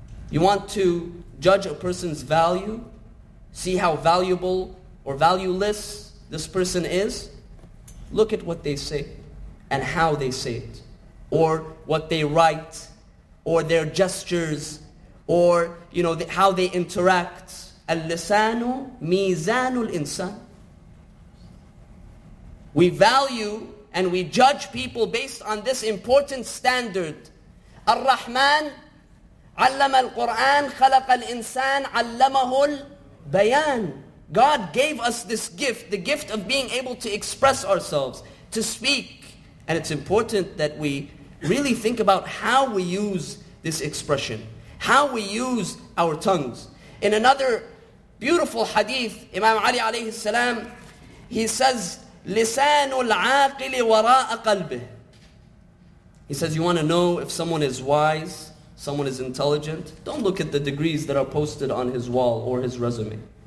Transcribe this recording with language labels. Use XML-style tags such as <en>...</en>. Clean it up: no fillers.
<en>You want to judge a person's value, see how valuable or valueless this person is, look at what they say and how they say it, or what they write, or their gestures, or you know how they interact.</en> <ar>Al-lisanu mizanul insan.</ar> <en>We value and we judge people based on this important standard.</en> <ar>Ar-Rahman عَلَّمَ الْقُرْآنَ خَلَقَ الْإِنسَانَ عَلَّمَهُ الْبَيَانَ.</ar> <en>God gave us this gift, the gift of being able to express ourselves, to speak. And it's important that we really think about how we use this expression, how we use our tongues. In another beautiful hadith, Imam Ali alayhi salam, he says,</en> <ar>لِسَانُ الْعَاقِلِ وَرَاءَ قَلْبِهِ.</ar> <en>He says, you want to know if someone is wise, someone is intelligent, don't look at the degrees that are posted on his wall or his resume.</en>